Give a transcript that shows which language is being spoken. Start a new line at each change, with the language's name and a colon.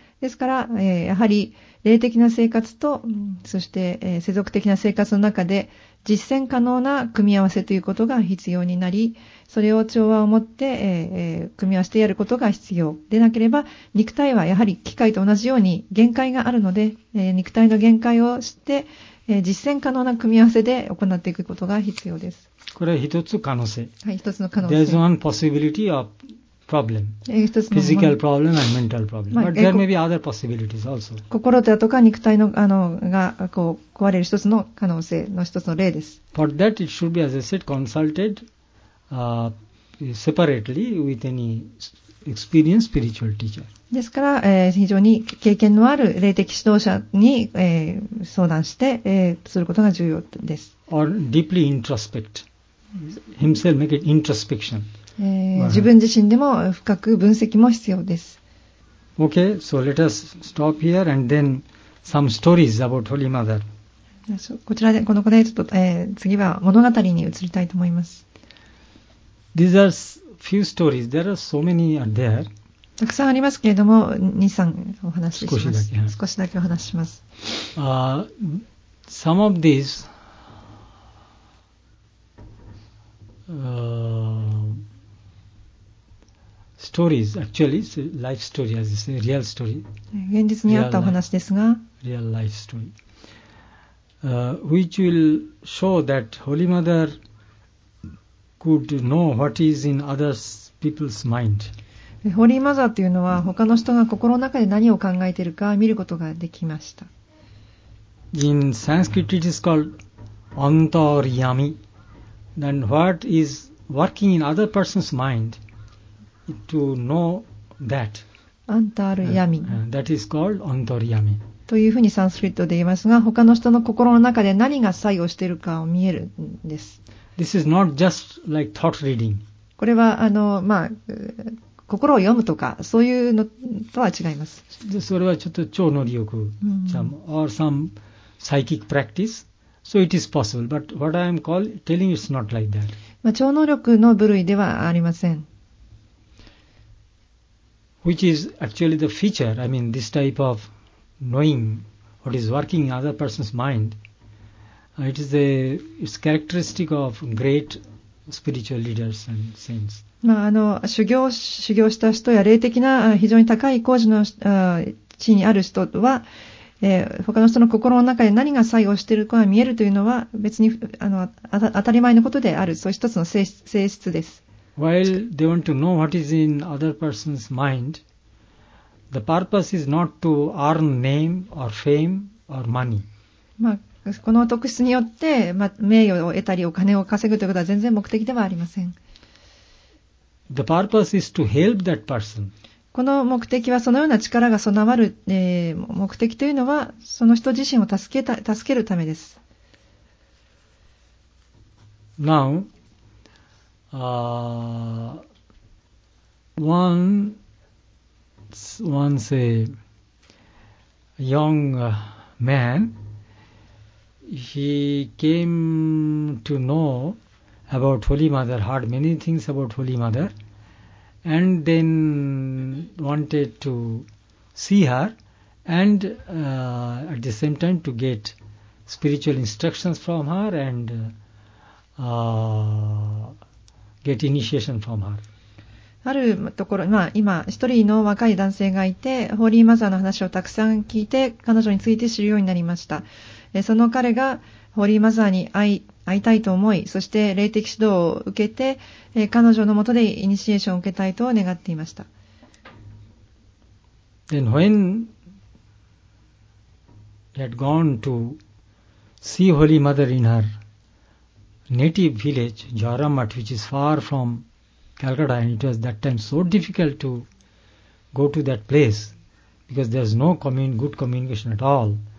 Japanese: ですから、やはり霊的な生活と、そして世俗的な生活の中で実践可能な組み合わせということが必要になり、それを調和を持って、組み合わせてやることが必要でなければ、肉体はやはり機械と同じように限界があるので、肉体の限界を知って、実践可能な組み合わせで行っていくことが必要です。これは一つ可能性。はい、一つの可能性。
English: There is one possibility of problem.
Japanese: 一つの
English: physical problem and mental problem.、まあ、But there may be other possibilities also.
Japanese: 心だとか肉体のあのがこう壊れる一つの可能性の一つの例です。
English: For that, it should be, as I said, consulted、separately with any experienced spiritual teacher.
Japanese: ですから、非常に経験のある霊的指導者に、相談して、することが重要です。
English: Or deeply introspect himself, make it introspection.
Japanese: 自分自身でも深く分析も必要です。
English: Okay, so let us stop here and then some stories about Holy Mother.
Japanese: こちらでこの子でちょっと、次は物語に移りたいと思います。
English: These are few stories. There are so many are there.
Japanese: たくさんありますけれども、2、3お話しします。少しだけ、はい、少しだけお話しします。
English: Some of these、stories, actually, life story, as you say, real story.
Japanese: 現実にあったお話ですが、
English: real life story,、which will show that Holy Mother could know what is in other people's mind.
Japanese: ホーリーマザーというのは他の人が心の中で何を考えているか見ることができました。
English: In Sanskrit it is called Antaryami. Then what is working in other person's mind to know that? Antaryami. That is called Antaryami.
Japanese: というふうにサンスクリットで言いますが、他の人の心の中で何が作用しているかを見えるんです。
English: This is not just like thought reading.
Japanese: これはあのまあ心を読むとかそういうのとは違います。でそれはちょっと超能力、うん、
English: or some psychic practice, so it is possible, but what I am telling you is not like that、
Japanese: まあ、超能力の部類ではありません。
English: Which is actually the feature, I mean this type of knowing what is working in other person's mind, it's characteristic of great spiritual leaders and saints.
Japanese: まあ、あの 修行した人や霊的な非常に高い高次の地にある人は、他の人の心の中で何が作用しているかが見えるというのは別にあの当たり前のことである、そういう一つの性質です。
English: While they want to know what is in other person's mind, the purpose is not to earn name or fame or money、
Japanese: まあ、この特質によって、まあ、名誉を得たりお金を稼ぐということは全然目的ではありません。
English: The purpose is to help that person.
Japanese: この目的はそのような力が備わる、目的というのはその人自身を助けるためです。
English: Now, once a young man, he came to know about Holy Mother, heard many things about Holy Mother. And then wanted to see her and、at the same time to get spiritual instructions from her and、get initiation from her.
Japanese: あるところ、まあ、今一人の若い男性がいて、ホーリーマザーの話をたくさん聞いて彼女について知るようになりました。その彼がホーリーマザーに会いたいと思い、そして霊的指導を受けて、彼女のもとでイニシエーションを受けたいと願っていました。
English: Then when he had gone to see Holy Mother in her native village, Jaramath, which is far from Calcutta, and it was that time so difficult to go to that place because there's no good communication at all.